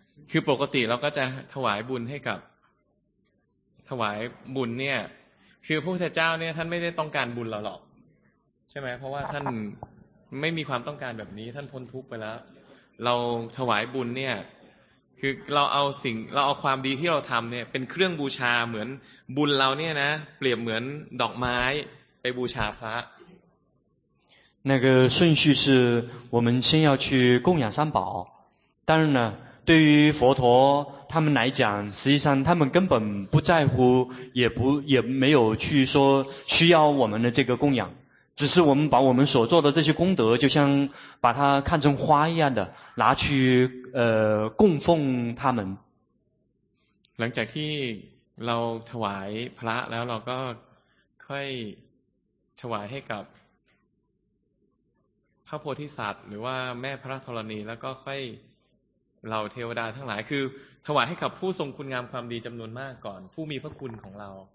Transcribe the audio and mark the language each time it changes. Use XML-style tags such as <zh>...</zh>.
<th>คือปกติเราก็จะถวายบุญให้กับถวายบุญเนี่ยคือพระพุทธเจ้าเนี่ยท่านไม่ได้ต้องการบุญเราหรอกใช่ไหมเพราะว่าท่านไม่มีความต้องการแบบนี้ท่านพ้นทุกข์ไปแล้วเราถวายบุญเนี่ยคือเราเอาความดีที่เราทำเนี่ยเป็นเครื่องบูชาเหมือนบุญเราเนี่ยนะเปรียบเหมือนดอกไม้ไปบูชาพระ</th> <zh>那个顺序是我们先要去供养三宝当然呢对于佛陀他们来讲实际上他们根本不在乎也没有去说需要我们的这个供养只是我们把我们所做的这些功德就像把它看成花一样的拿去供奉他们</zh> <th>หลังจากที่เราถวายพระแล้วเราก็ค่อยถวายให้กับพระโพธิสัตว์หรือว่าแม่พระธรณีแล้วก็ค่อยเราเทวดาทั้งหลายคือถวายให้กับผู้ทรงคุณงามความดีจำนวนมากก่อนผู้มีพระคุณของเรา</th>